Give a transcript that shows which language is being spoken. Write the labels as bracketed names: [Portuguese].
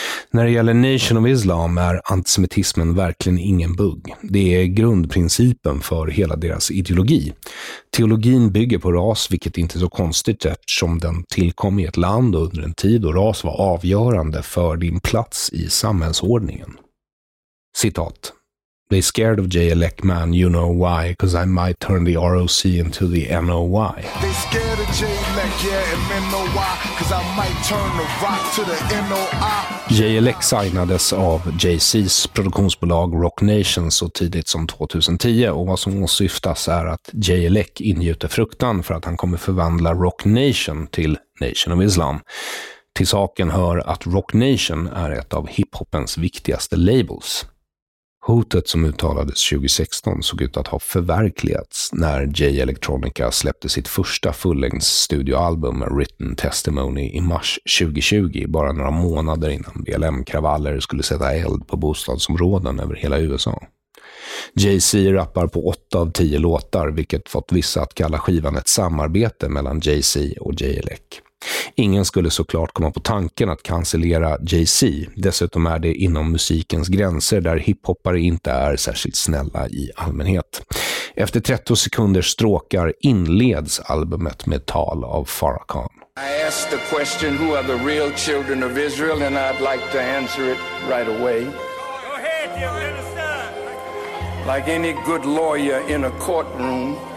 [Swedish] När det gäller Nation of Islam är antisemitismen verkligen ingen bugg. Det är grundprincipen för hela deras ideologi. Teologin bygger på ras, vilket inte är så konstigt eftersom den tillkom i ett land och under en tid då ras var avgörande för din plats i samhällsordningen. Citat. [English] They scared of Jay Leckman, you know why, because I might turn the ROC into the NOY. They scared of Jay Leck, yeah, M-N-O-Y, because I might turn the rock to the NOI. [Swedish] Jay Leck signades av Jay-Z's produktionsbolag Roc Nation så tidigt som 2010, och vad som åsyftas är att Jay Leck ingjuter fruktan för att han kommer förvandla Roc Nation till Nation of Islam. Till saken hör att Roc Nation är ett av hiphopens viktigaste labels. Hotet som uttalades 2016 såg ut att ha förverkligats när Jay Electronica släppte sitt första fullängdsstudioalbum Written Testimony i mars 2020, bara några månader innan BLM-kravaller skulle sätta eld på bostadsområden över hela USA. Jay-Z rappar på 8 av 10 låtar, vilket fått vissa att kalla skivan ett samarbete mellan Jay-Z och Jay Elec. Ingen skulle såklart komma på tanken att cancellera Jay-Z. Dessutom är det inom musikens gränser där hiphoppare inte är särskilt snälla i allmänhet. Efter 30 sekunders stråkar inleds albumet med tal av Farrakhan. [English] I asked the question, who are the real children of Israel, and I'd like to answer it right away. Go ahead, dear minister. Like any good lawyer in a courtroom.